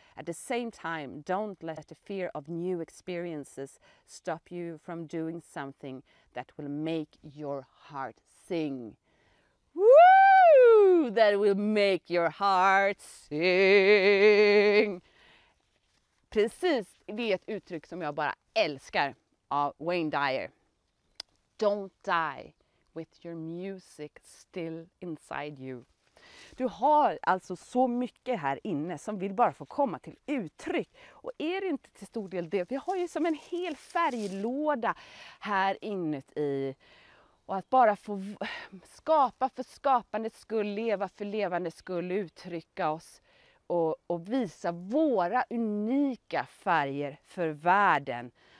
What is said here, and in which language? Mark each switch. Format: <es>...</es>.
<en>At the same time, don't let the fear of new experiences stop you from doing something that will make your heart sing. Woo! That will make your heart sing.</en> <sv>Precis, det är ett uttryck som jag bara älskar av Wayne Dyer.</sv> <en>Don't die with your music still inside you.</en> <sv>Du har alltså så mycket här inne som vill bara få komma till uttryck. Och är det inte till stor del det? Vi har ju som en hel färglåda här inuti. Och att bara få skapa för skapandets skull, leva för levandets skull, uttrycka oss och visa våra unika färger för världen.</sv>